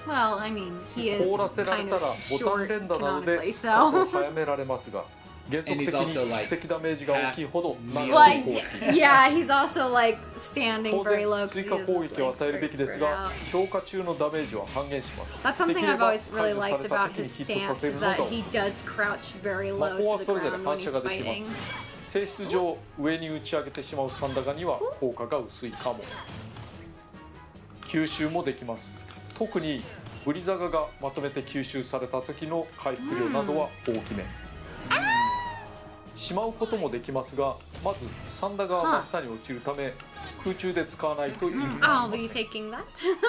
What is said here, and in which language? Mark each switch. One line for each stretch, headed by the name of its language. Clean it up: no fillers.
Japanese: 凍らせられたらボタン連打なので数を早められますが原則的に蓄積ダメージが大きいほど長く攻撃。
English: Yeah, he's also like standing very low.
Japanese: 当然追加攻撃を与えるべきですが、強化中のダメージは半減します。
English: That's something I've always really liked about his stance is that he does crouch very low to the ground when he's fighting.
Japanese: 性質上上に打ち上げてしまうサンダガには効果が薄いかも。吸収もできます。特にブリザガがまとめて吸収された時の回復量などは大きめ。しまうこともできますが、まずサンダガは真下に落ちるため、空中で使わないと意味がありません